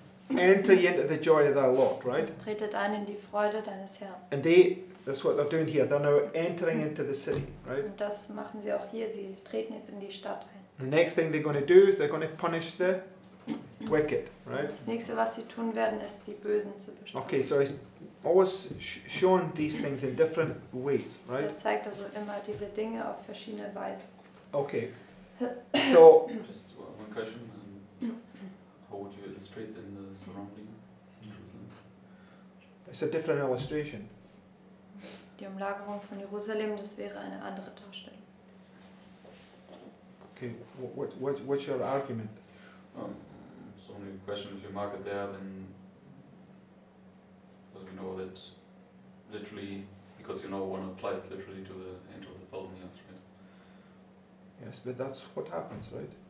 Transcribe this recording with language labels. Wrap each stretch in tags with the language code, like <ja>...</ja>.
<en>Enter ye into the joy of thy Lord, right?</en> <de>Tretet ein in die Freude deines Herrn.</de> <en>And that's what they're doing here. They're now entering into the city, right?</en> <de>Und das machen sie auch hier. Sie treten jetzt in die Stadt ein.</de> <en>The next thing they're going to do is they're going to punish the wicked, right?</en> <de>Das nächste, was sie tun werden, ist die Bösen zu bestrafen.</de> <en>Okay, so he's always shown these things in different ways, right?</en> <de>Er zeigt also immer diese Dinge auf verschiedene Weise.</de> <en>Okay. So. Just one question. How would you illustrate then the surrounding Jerusalem? It's a different illustration.</en> <de>Die Umlagerung von Jerusalem, das wäre eine andere Darstellung.</de> <en>Okay, what's your argument? It's only a question, if you mark it there, then as we know that literally, because you know one applied literally to the end of the 1,000 years, right? Yes, but that's what happens, right?</en>